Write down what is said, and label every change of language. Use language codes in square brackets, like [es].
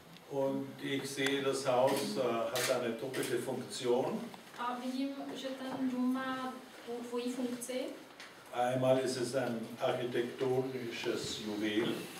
[de] Und ich sehe, das Haus hat eine doppelte Funktion. [cs] A vidím, že ten dům má dvojí funkci. [de] Einmal ist es ein architektonisches Juwel.